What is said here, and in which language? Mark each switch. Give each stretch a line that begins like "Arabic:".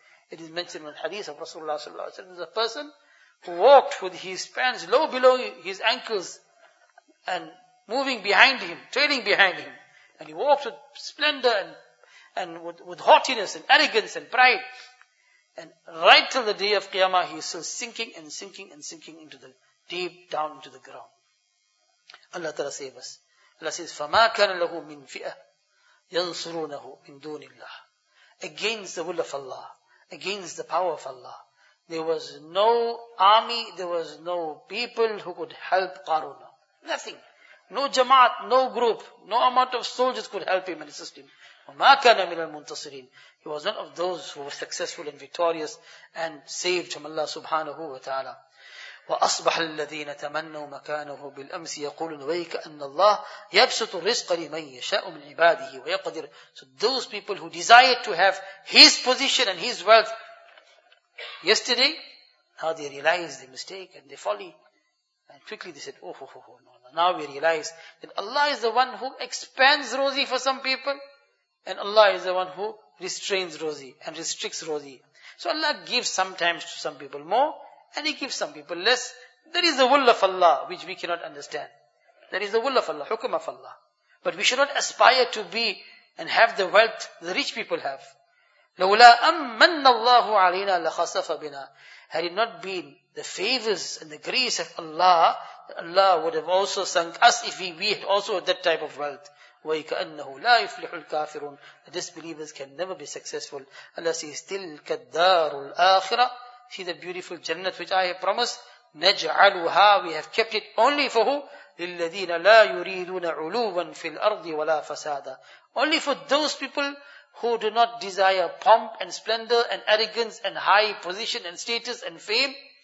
English: It is mentioned in the hadith of Rasulullah sallallahu alaihi wasallam, the person who walked with his pants low below his ankles and moving behind him, trailing behind him, and he walked with splendor and with haughtiness and arrogance and pride, and right till the day of Qiyamah he is still sinking and sinking and sinking into the deep down into the ground. Allah Ta'ala save us. Allah says,
Arabic: فَمَا كَانَ لَهُ مِنْ فِئَةٍ يَنْصُرُونَهُ مِنْ دُونِ اللَّهِ.
English: Against the will of Allah, against the power of Allah, there was no army, there was no people who could help Qaruna. Nothing. No jamaat, no group, no amount of soldiers could help him and assist him.
Arabic: وَمَا كَانَ مِنَ الْمُنْتَصِرِينَ.
English: He was one of those who were successful and victorious and saved from Allah subhanahu wa ta'ala.
Arabic: وأصبح الذين تمنوا مكانه بالأمس يقولون ويك أن الله يبسط الرزق لمن يشاء من عباده ويقدر.
English: So those people who desired to have his position and his wealth yesterday, now they realize the mistake and the folly, and quickly they said, oh, oh, oh, no, no. Now we realize that Allah is the one who expands rozi for some people, and Allah is the one who restrains rozi and restricts rozi. So Allah gives sometimes to some people more, and he gives some people less. There is the will of Allah, which we cannot understand. There is the will of Allah, hukum of Allah. But we should not aspire to be and have the wealth the rich people have.
Arabic: لَوْلَا أَمَّنَّ اللَّهُ عَلَيْنَا لَخَسَفَ بِنَا.
English: Had it not been the favors and the grace of Allah, Allah would have also sunk us if we had also that type of wealth.
Arabic: وَيْكَأَنَّهُ لَا يُفْلِحُ الْكَافِرُونَ.
English: The disbelievers can never be successful. Allah says,
Arabic: تِلْكَ الدَّارُ الْآخِرَةِ.
English: See the beautiful Jannat which I have promised.
Arabic: نَجْعَلُهَا.
English: We have kept it only for who?
Arabic: لِلَّذِينَ لَا يُرِيدُونَ عُلُوًا فِي الْأَرْضِ وَلَا فَسَادًا.
English: Only for those people who do not desire pomp and splendor and arrogance and high position and status and fame.